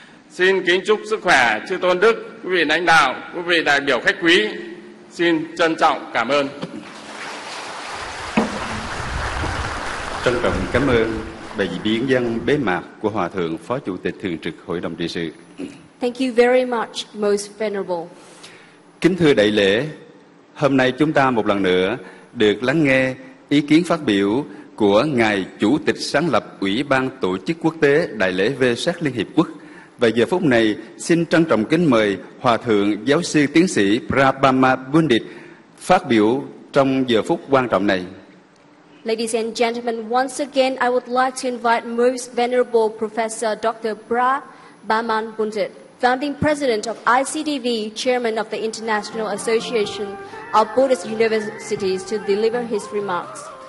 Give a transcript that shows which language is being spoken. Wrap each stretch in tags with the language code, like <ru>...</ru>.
<vi>Xin kính chúc sức khỏe chư tôn đức, quý vị lãnh đạo, quý vị đại biểu khách quý. Xin trân trọng cảm ơn. Trân trọng cảm ơn bài diễn văn bế mạc của Hòa thượng Phó Chủ tịch Thường trực Hội đồng trị sự.</vi> <en>Thank you very much, most venerable.</en> <vi>Kính thưa đại lễ, hôm nay chúng ta một lần nữa được lắng nghe ý kiến phát biểu của Ngài Chủ tịch sáng lập Ủy ban Tổ chức Quốc tế Đại lễ Vê-sắc Liên Hiệp Quốc. Và giờ phút này xin trân trọng kính mời Hòa thượng Giáo sư Tiến sĩ Prabhupada phát biểu trong giờ phút quan trọng này.</vi> <en>Ladies and gentlemen, once again, I would like to invite Most Venerable Professor Dr. Pra Baman Buntet, Founding President of ICDV, Chairman of the International Association of Buddhist Universities, to deliver his remarks.</en>